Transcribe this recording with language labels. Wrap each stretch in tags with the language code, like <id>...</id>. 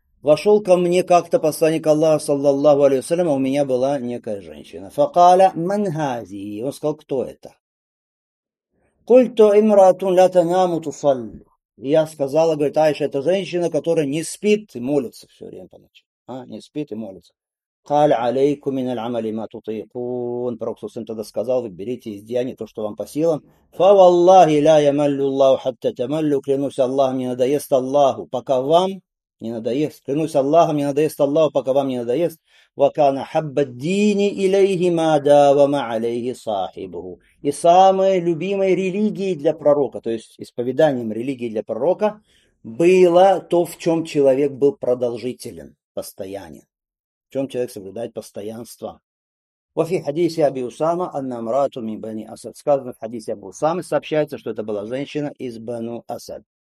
<ru>Вошел ко мне как-то посланник Аллаха, саллаллаху алейхи вассалям, а у меня была некая женщина.</ru> <ar>Факаля ман хази.</ar> <ru>Он сказал, кто это?</ru> <ar>Культу имраатун ля танаму тусалли.</ar> <ru>Я сказала, говорит, Айша, это женщина, которая не спит и молится все время по ночам. Не спит и молится.</ru> <ar>قال عليكم من العمل ما تطيقون. بروكسو سنتدا</ar> <ru>сказал, вы берите из деяний то, что вам по силам.</ru> <ar>فوالله لا يمل الله حتى تملوا,</ar> <ru>клянусь Аллахом, не надоест Аллаху, пока вам не надоест. Клянусь Аллахом, не надоест Аллаху, пока вам не надоест.</ru> <ar>وكان حب الدين إليه ما داوم عليه صاحبه.</ar> <ru>И самой любимой религией для пророка, то есть исповеданием религии для пророка, было то, в чем человек был продолжителен, постоянен. В чем человек соблюдает постоянство.</ru> <ar>وفي حديث أبي أسامة أن امرأة من بني أسد,</ar> <ru>сказано в хадисе Абу Усамы, сообщается, что это была женщина из Бану Асад.</ru>